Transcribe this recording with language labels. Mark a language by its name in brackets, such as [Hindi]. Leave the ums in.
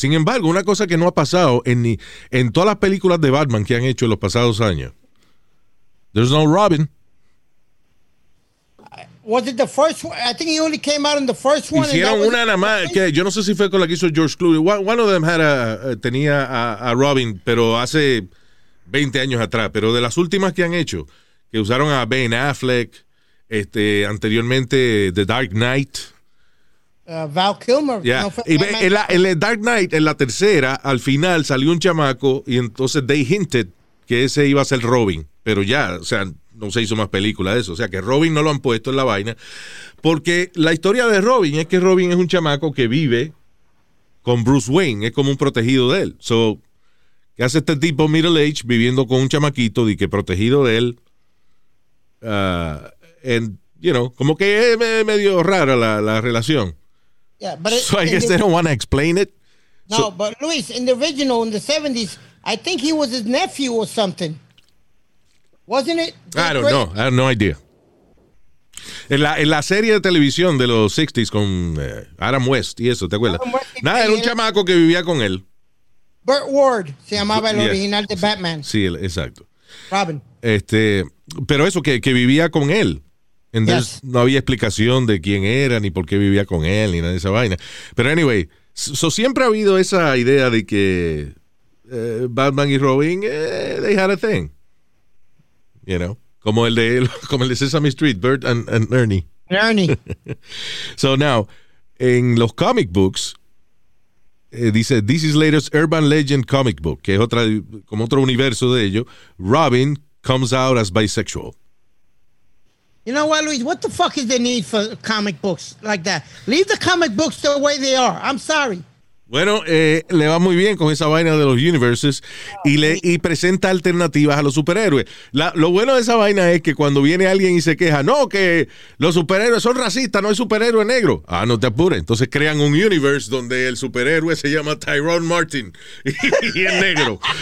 [Spanish] Sin embargo, una cosa que no ha pasado en ni en todas las películas de Batman que han hecho en los pasados años. [English] There's no Robin. Was it the first one? I think he only came out in the first one, una [Spanish] nada Que yo no sé si fue con la que hizo George Clooney. One, de [English] of them had a, [Spanish] tenía a, a, Robin, pero hace 20 años atrás. Pero de las últimas que han hecho, que usaron a Ben Affleck, este, anteriormente The Dark Knight. [English] Uh, Val Kilmer. Yeah. You know, y man, [Spanish] en, The Dark Knight, en la tercera, al final salió un chamaco y entonces [English] they hinted [Spanish] que ese iba a ser Robin. Pero ya, o sea, no se hizo más película de eso. O sea que Robin no lo han puesto en la vaina. Porque la historia de Robin es que Robin es un chamaco que vive con Bruce Wayne. Es como un protegido de él. So, ¿qué hace este tipo middle age viviendo con un chamaquito y que protegido de él? Uh, [English] and, you know, [Spanish] como que es me, medio rara la, la, relación. [English] Yeah, it, so it, it, I guess they don't want to explain it. No, so, but Luis, in the original, in the 70s, I think he was his nephew or something. Wasn't it? I don't know. I have no idea. [Spanish] En la, en la serie de televisión de los 60s con uh, Adam West y eso, ¿te acuerdas? Nada, era un chamaco que vivía con él. Burt Ward se llamaba el original de Batman. Sí, exacto. Robin. Este, pero eso, que, que vivía con él. Entonces no había explicación de quién era, ni por qué vivía con él, ni nada de esa vaina. Pero anyway, so, so, siempre ha habido esa idea de que uh, Batman y Robin, uh, [English] they had a thing. you know. [Spanish] Como el de, como el de Sesame Street, Bert and, and Ernie. Ernie. [English] so now, in the comic books, eh, dice, this is later's urban legend comic book, [Spanish] que es otra, como otro universo de ello, [English] Robin comes out as bisexual. You know what, Luis? What the fuck is the need for comic books like that? Leave the comic books the way they are. I'm sorry. [Spanish] Bueno, eh, le va muy bien con esa vaina de los universes y le y presenta alternativas a los superhéroes. La, lo bueno de esa vaina es que cuando viene alguien y se queja, no, que los superhéroes son racistas, no hay superhéroe negro. Ah, no te apures. Entonces crean un universe donde el superhéroe se llama Tyrone Martin y es negro.